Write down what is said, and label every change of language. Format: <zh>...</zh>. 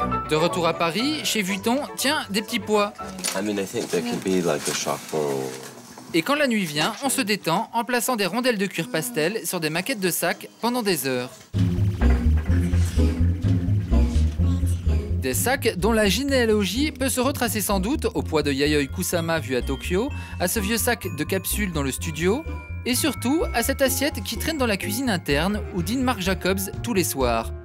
<fr>De retour à Paris, chez Vuitton, tiens, des petits pois.</fr> <en>I mean, I think there can be like a charcoal.</en> <fr>Et quand la nuit vient, on se détend en plaçant des rondelles de cuir pastel sur des maquettes de sacs pendant des heures. Des sacs dont la généalogie peut se retracer sans doute au poids de Yayoi Kusama vu à Tokyo, à ce vieux sac de capsule dans le studio, et surtout à cette assiette qui traîne dans la cuisine interne où dîne Marc Jacobs tous les soirs.</fr>